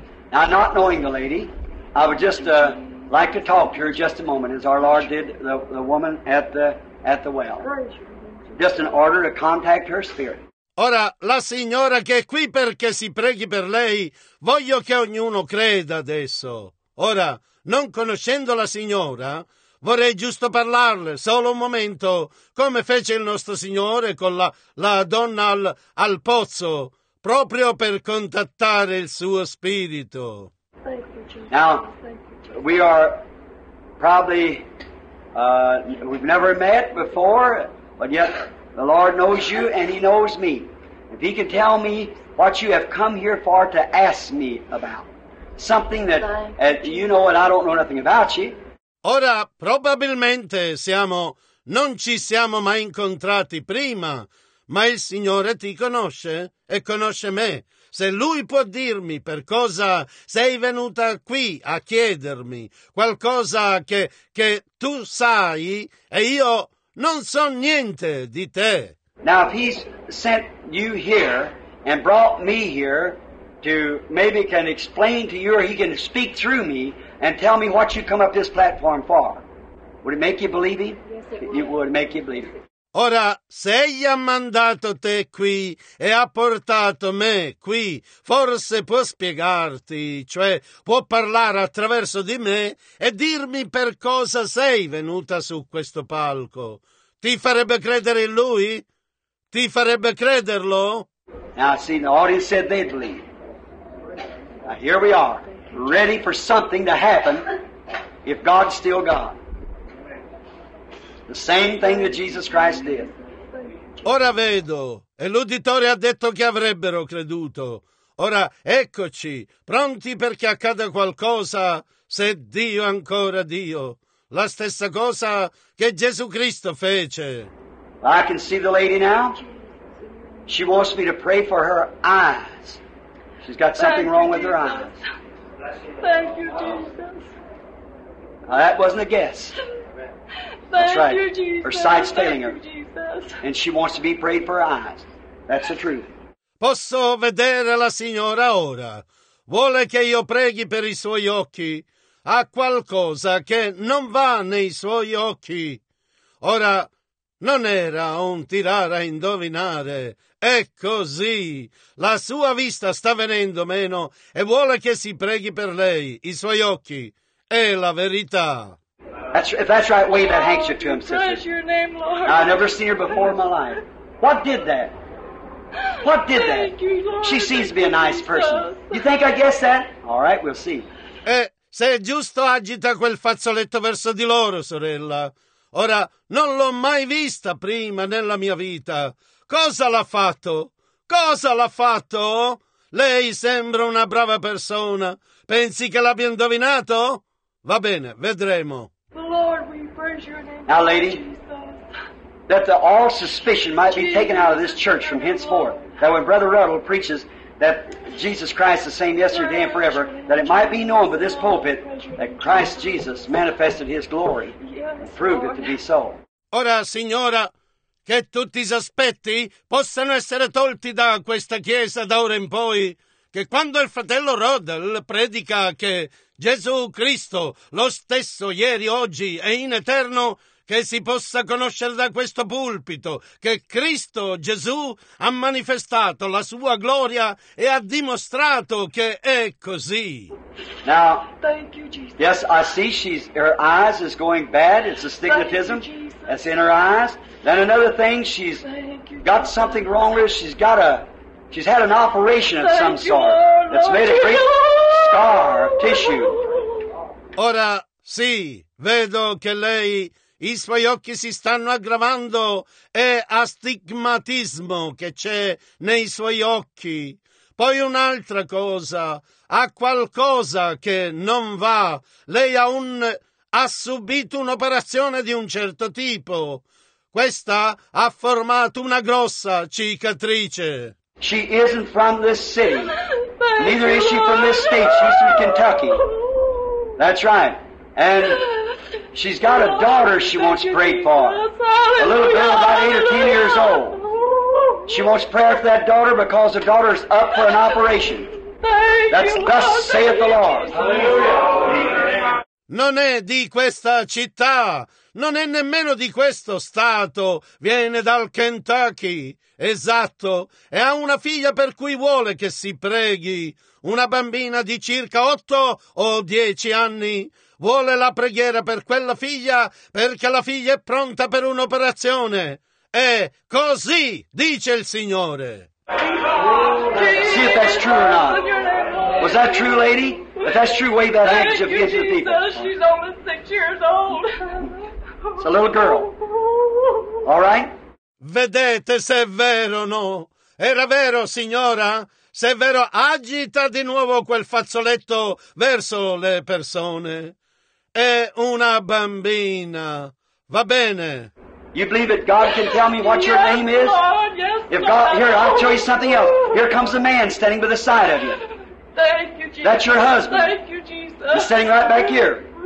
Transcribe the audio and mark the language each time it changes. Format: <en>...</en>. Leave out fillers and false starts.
<en>Now, not knowing the lady, I would just like to talk to her just a moment, as our Lord did the woman at the well. Just in order to contact her spirit.</en> <it>Ora, la signora che è qui perché si preghi per lei, voglio che ognuno creda adesso. Ora, non conoscendo la signora, vorrei giusto parlarle solo un momento, come fece il nostro Signore con la donna al pozzo, proprio per contattare il suo spirito.</it> <en>Now, we are probably, we've never met before, but yet the Lord knows you and he knows me. If he can tell me what you have come here for to ask me about, something that you know and I don't know nothing about you.</en> <it>Ora, probabilmente non ci siamo mai incontrati prima, ma il Signore ti conosce e conosce me. Se lui può dirmi per cosa sei venuta qui a chiedermi qualcosa che tu sai e io non so niente di te.</it> <en>Now if he's sent you here and brought me here to maybe can explain to you or he can speak through me and tell me what you come up this platform for, would it make you believe him? Yes, it would. It would make you believe him.</en> <it>Ora, se egli ha mandato te qui e ha portato me qui, forse può spiegarti, cioè può parlare attraverso di me e dirmi per cosa sei venuta su questo palco. Ti farebbe credere in lui? Ti farebbe crederlo?</it> <en>Now, see, the audience said they'd leave. Now, here we are, ready for something to happen if God's still God. The same thing that Jesus Christ did.</en> <it>Ora vedo, e l'uditore ha detto che avrebbero creduto. Ora eccoci, pronti perché accada qualcosa, se Dio ancora Dio. La stessa cosa che Gesù Cristo fece.</it> <en>I can see the lady now. She wants me to pray for her eyes. She's got something wrong with her eyes. Thank you, Jesus. Now, that wasn't a guess. That's right. Her sight's failing her. And she wants to be prayed for her eyes. That's the truth.</en> <it>Posso vedere la signora ora? Vuole che io preghi per i suoi occhi? Ha qualcosa che non va nei suoi occhi. Ora, non era un tirare a indovinare. È così. La sua vista sta venendo meno e vuole che si preghi per lei, i suoi occhi. È la verità.</it> <en>That's right, wave that handkerchief to him, sister. Praise your name, Lord. I've never seen her before in my life. What did that? What did Thank that? You, Lord. She seems to be a nice person. You think I guessed that? All right, we'll see.</en> <it>Se è giusto, agita quel fazzoletto verso di loro, sorella. Ora, non l'ho mai vista prima nella mia vita. Cosa l'ha fatto? Cosa l'ha fatto? Lei sembra una brava persona. Pensi che l'abbia indovinato? Va bene, vedremo.</it> <en>Lord, we praise your name. Now, lady, that the all suspicion might be taken out of this church from henceforth, that when Brother Ruddle preaches that Jesus Christ is the same yesterday and forever, that it might be known by this pulpit that Christ Jesus manifested his glory and proved it to be so.</en> <it>Ora, signora, che tutti i sospetti possano essere tolti da questa chiesa da ora in poi, che quando il fratello Rodel predica che Gesù Cristo, lo stesso ieri, oggi e in eterno, che si possa conoscere da questo pulpito che Cristo Gesù ha manifestato la sua gloria e ha dimostrato che è così.</it> <en>Now, thank you, Jesus. Yes, I see she's, her eyes is going bad. It's astigmatism. That's in her eyes. Then another thing, she's got something wrong with her. She's had an operation of thank some you, sort Lord, that's Lord, made Jesus. A great scar of tissue.</en> <it>Ora, sì, vedo che lei... I suoi occhi si stanno aggravando e astigmatismo che c'è nei suoi occhi. Poi un'altra cosa, ha qualcosa che non va. Lei ha subito un'operazione di un certo tipo. Questa ha formato una grossa cicatrice.</it> <en>She isn't from this city. Neither is she from this state. She's from Kentucky. That's right. And she's got a daughter she wants prayed for, a little girl about 8 or 10 years old. She wants prayer for that daughter because the daughter's up for an operation. That's thus saith the Lord.</en> <it>Non è di questa città, non è nemmeno di questo stato, viene dal Kentucky, esatto, e ha una figlia per cui vuole che si preghi, una bambina di circa 8 o 10 anni. Vuole la preghiera per quella figlia perché la figlia è pronta per un'operazione. E così dice il Signore.</it> <en>See if that's true or not. Was that true, lady? If that's true, wave that handkerchief against the people. She's only 6 years old. It's a little girl. All right?</en> <it>Vedete se è vero o no. Era vero, signora? Se è vero, agita di nuovo quel fazzoletto verso le persone. È una bambina. Va bene.</it> <en>You believe that God can tell me what yes, your name is? Lord, yes, if God, here, I'll tell you something else. Here comes a man standing by the side of you. Thank you, Jesus. That's your husband. Thank you, Jesus. He's standing right back here.</en>